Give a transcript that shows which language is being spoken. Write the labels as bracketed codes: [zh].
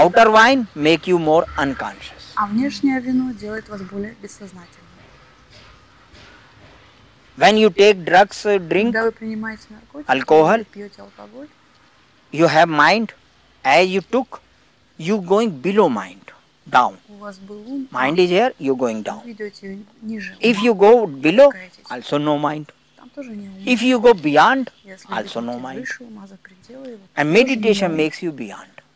[en] Outer wine make you more unconscious. [ru] А внешнее вино делает вас более бессознательным. [en] When you take drugs, drink, [ru] когда вы принимаете наркотики, [en] alcohol, [ru] пьете алкоголь, [en] you have mind. As you took, you going below mind. Down. Mind is here, you're going down. If you go below, also no mind. If you go beyond, also no mind. And meditation makes you beyond.